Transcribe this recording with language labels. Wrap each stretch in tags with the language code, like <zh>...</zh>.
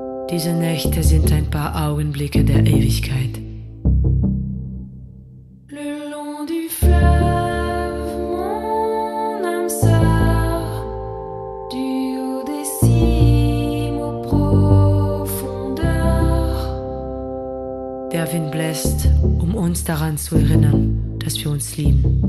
<de>Diese Nächte sind ein paar Augenblicke der Ewigkeit.</de> <fr>Le long du fleuve, mon âme sœur, du haut des cimes aux profondeurs.</fr> <de>Der Wind bläst, uns daran zu erinnern, dass wir uns lieben.</de>